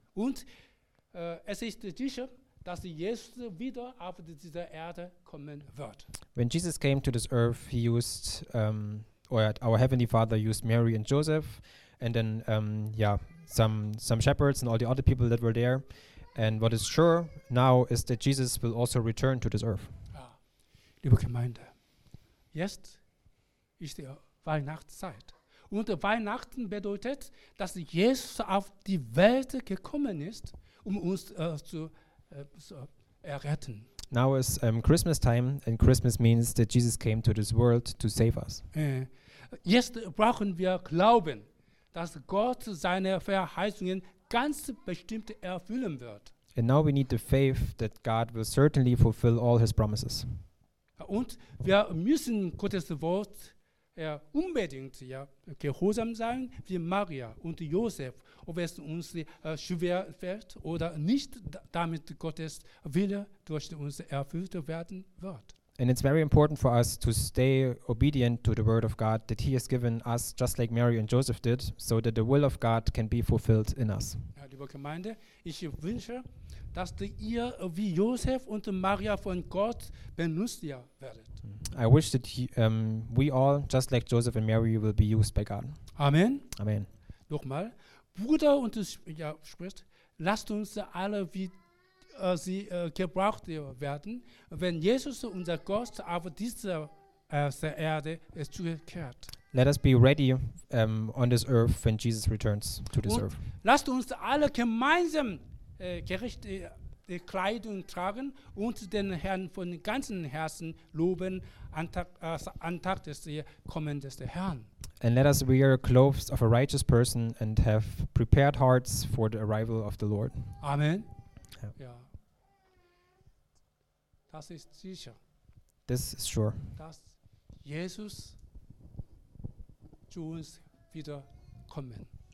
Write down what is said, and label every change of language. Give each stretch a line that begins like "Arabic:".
German: Und es ist sicher, dass Jesus wieder auf dieser Erde kommen wird.
English: When Jesus came to this earth, he used, our Heavenly Father used Mary and Joseph, and then some shepherds and all the other people that were there. And what is sure now is that Jesus will also return to this earth.
German: Ah, liebe Gemeinde, jetzt ist die Weihnachtszeit. Und Weihnachten bedeutet, dass Jesus auf die Welt gekommen ist, um uns zu erretten.
English: Now is Christmas time, and Christmas means that Jesus came to this world to save us.
German: Jetzt brauchen wir Glauben, dass Gott seine Verheißungen ganz bestimmt erfüllen wird.
English: And now we need the faith that God will certainly fulfill all his promises.
German: Und wir müssen Gottes Wort unbedingt gehorsam sein, wie Maria und Josef, ob es uns schwer fällt oder nicht, damit Gottes Wille durch uns erfüllt werden wird.
English: And it's very important for us to stay obedient to the word of God that he has given us, just like Mary and Joseph did, so that the will of God can be fulfilled in us.
German: Ja, liebe Gemeinde, ich wünsche, dass ihr wie Josef und Maria von Gott benutzt werdet.
English: I wish that we all, just like Joseph and Mary, will be used by God. Amen. Amen.
German: Nochmal, Bruder und Schwester, lasst uns alle wie sie gebraucht werden, wenn Jesus, unser Gott, auf dieser Erde zurückkehrt.
English: Let us be ready on this earth when Jesus returns to this
German: und
English: earth.
German: Lasst uns alle gemeinsam gerechte Kleidung tragen und den Herrn von ganzem Herzen loben an Tag des kommenden Herrn.
English: And let us wear clothes of a righteous person and have prepared hearts for the arrival of the Lord.
German: Amen. Ja. Das ist sicher.
English: This is sure.
German: Dass Jesus zu uns wieder kommen.